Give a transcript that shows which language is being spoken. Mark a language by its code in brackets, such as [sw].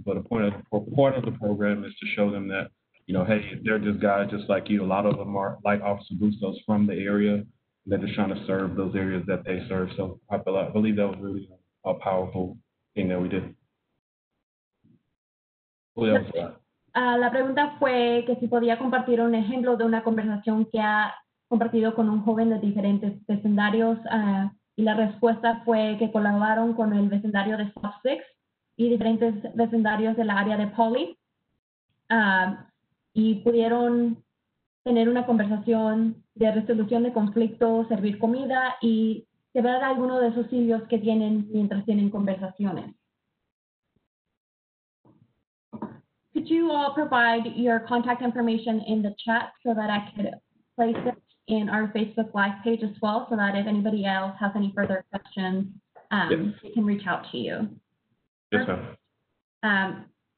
[en] But a point of the program is to show them that, you know, hey, they're just guys just like you. A lot of them are like Officer Bustos from the area, and they're just trying to serve those areas that they serve. So I believe that was really a powerful thing that we did. Who else? [es] La pregunta fue que si podía compartir un ejemplo de una conversación que ha compartido con un joven de diferentes vecindarios y la respuesta fue que colaboraron con el vecindario de Stop 6 y diferentes vecindarios de la área de Poly y pudieron tener una conversación de resolución de conflictos, servir comida y llevar alguno de esos sitios que tienen mientras tienen conversaciones. [en] Could you all provide your contact information in the chat so that I could place it in our Facebook Live page as well, so that if anybody else has any further questions, yes, they can reach out to you. Yes, ma'am.